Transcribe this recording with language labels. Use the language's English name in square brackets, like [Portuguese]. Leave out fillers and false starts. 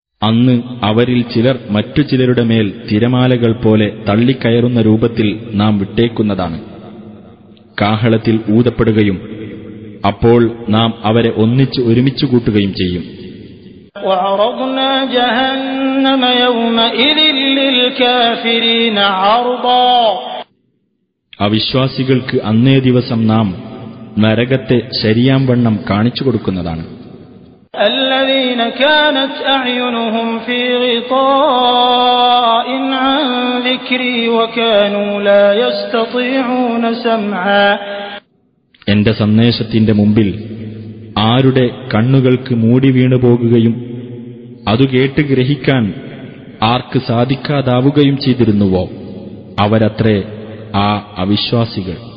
[Malayalam] അന്ന് അവരിൽ ചിലർ മറ്റു ചിലരുടെ മേൽ തിരമാലകൾ പോലെ തള്ളിക്കയറുന്ന രൂപത്തിൽ നാം വിട്ടേക്കുന്നതാണ്. കാഹളത്തിൽ ഊതപ്പെടുകയും അപ്പോൾ നാം അവരെ ഒന്നിച്ച് ഒരുമിച്ചു കൂട്ടുകയും ചെയ്യും. [Arabic] وعرضنا جهنم يومئذ للكافرين عرضا [Malayalam] അവിശ്വാസികൾക്ക് അന്നേ ദിവസം നാം നരകത്തെ ശരിയാം വണ്ണം കാണിച്ചു കൊടുക്കുന്നതാണ്. [Arabic] الذين كانت اعينهم في غطاء عن ذكري وكانوا لا يستطيعون سمعا [Malayalam] എന്റെ സന്ദേശത്തിന്റെ മുമ്പിൽ ആരുടെ കണ്ണുകൾക്ക് മൂടി വീണു പോകുകയും അതു കേട്ട് ഗ്രഹിക്കാൻ ആർക്ക് സാധിക്കാതാവുകയും ചെയ്തിരുന്നുവോ അവരത്രേ ആ അവിശ്വാസികൾ.